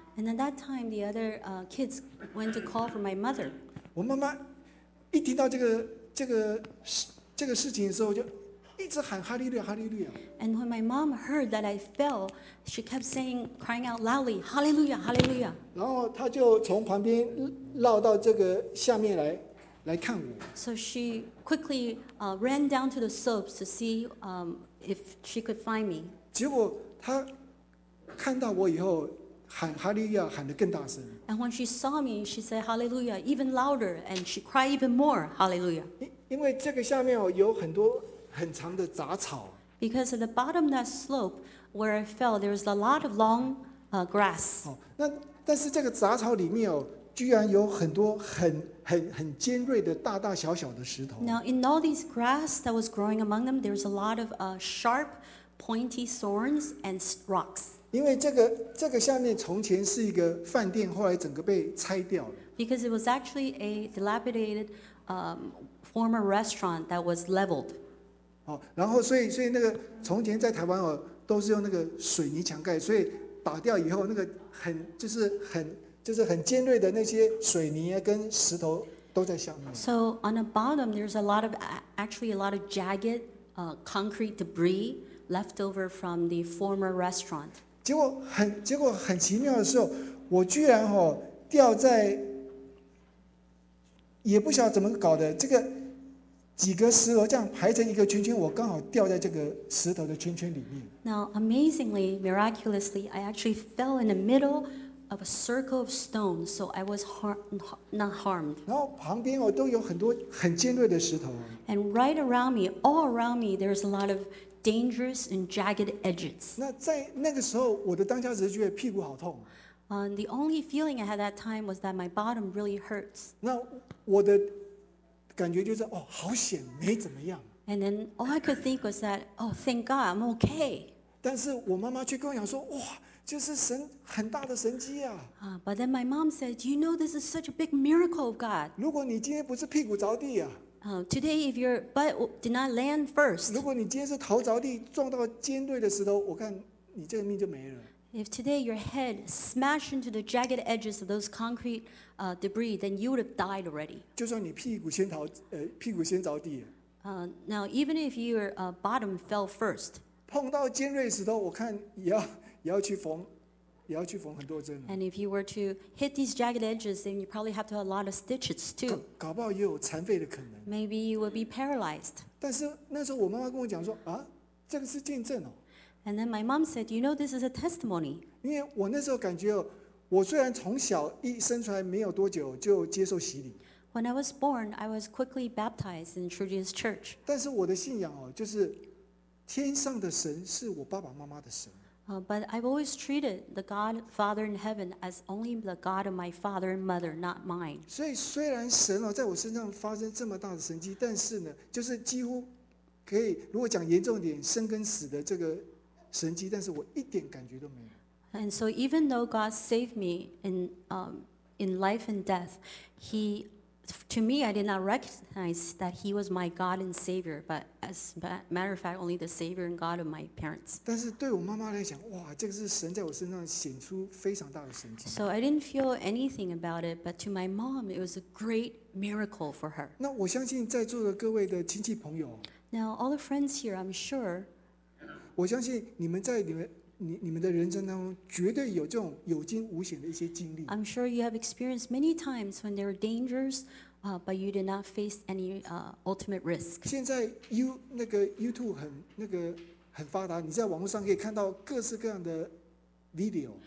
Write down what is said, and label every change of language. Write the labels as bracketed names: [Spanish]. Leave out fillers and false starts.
[English] And at that time, the other kids went to call for my mother. [Chinese] 我妈妈一听到这个事情的时候，就一直喊哈利路亚，哈利路亚。 [English] And when my mom heard that I fell, she kept saying, crying out loudly, "Hallelujah, Hallelujah!" [Chinese] 然后她就从旁边绕到这个下面来看我。 [English] So she quickly ran down to the slopes to see if she could find me. [Chinese] 结果她看到我以后，喊哈利路亚喊得更大声。 [English] And when she saw me, she said, "Hallelujah!" even louder, and she cried even more, "Hallelujah!" [Chinese] 因为这个下面有很多很长的杂草。 [English] Because at the bottom of that slope where I fell, there was a lot of long grass. [Chinese] 但是这个杂草里面居然有很多很尖锐的大大小小的石头。 [English] Now in all these grass that was growing among them, there was a lot of sharp, pointy thorns and rocks. [Chinese] 因为这个下面从前是一个饭店，后来整个被拆掉了。 [English] Because it was actually a dilapidated former restaurant that was leveled. [Chinese] 然后所以那个从前在台湾都是用那个水泥墙盖，所以打掉以后那个很就是很尖锐的那些水泥跟石头都在下面。 [English] So on the bottom, there's a lot of actually a lot of jagged concrete debris left over from the former restaurant. [Chinese] 结果很奇妙的时候，我居然哦掉在，也不晓得怎么搞的，这个几个石头这样排成一个圈圈，我刚好掉在这个石头的圈圈里面。 [English] Now amazingly, miraculously, I actually fell in the middle of a circle of stone, so I was not harmed. [Chinese] 然后旁边我都有很多很尖锐的石头。 [English] And right around me, all around me, there's a lot of dangerous and jagged edges. [Chinese] 那在那个时候，我的当下直觉屁股好痛。 [English] The only feeling I had that time was that my bottom really hurts. [Chinese] 那我的感觉就是哦，好险，没怎么样。 [English] And then all I could think was that, oh, thank God, I'm okay. [Chinese] 但是我妈妈却跟我讲说，哇，就是神很大的神迹啊。 [English] But then my mom said, you know, this is such a big miracle of God. [Chinese] 如果你今天不是屁股着地啊。 [English] Today, if your butt did not land first. [Chinese] 如果你今天是头着地撞到尖锐的石头，我看你这个命就没了。 [English] If today your head smashed into the jagged edges of those concrete debris, then you would have died already. [Chinese] 就算你屁股先逃，屁股先着地。 [English] Now even if your bottom fell first. [Chinese] 碰到尖锐石头，我看也要去缝，也要去缝很多针。 [English] And if you were to hit these jagged edges, then you probably have to have a lot of stitches too. [Chinese] 搞不好也有残废的可能。 [English] Maybe you would be paralyzed. [Chinese] 但是那时候我妈妈跟我讲说，啊，这个是见证哦。 [English] And then my mom said, you know, this is a testimony. [Chinese] 因为我那时候感觉，我虽然从小一生出来没有多久就接受洗礼。 [English] When I was born, I was quickly baptized in Trudy's church. [Chinese] 但是我的信仰哦，就是天上的神是我爸爸妈妈的神。 [English] But I've always treated the God Father in heaven as only the God of my father and mother, not mine. [Chinese] 所以虽然神哦在我身上发生这么大的神迹，但是呢，就是几乎可以，如果讲严重点，生跟死的这个。神迹，但是我一点感觉都没有。 [English] And so even though God saved me in life and death, he, to me, I did not recognize that he was my God and Savior, but as a matter of fact, only the Savior and God of my parents. [Chinese] 但是对我妈妈来讲，哇，这个是神在我身上显出非常大的神迹。 [English] So I didn't feel anything about it, but to my mom, it was a great miracle for her. [Chinese] 那我相信在座的各位的亲戚朋友。 [English] Now all the friends here, I'm sure, [Chinese] 我相信你们在你们的人生当中绝对有这种有惊无险的一些经历。 [English] I'm sure you have experienced many times when there are dangers, but you did not face any ultimate risk. [Chinese] 现在 YouTube 很发达，你在网络上可以看到各式各样的 video.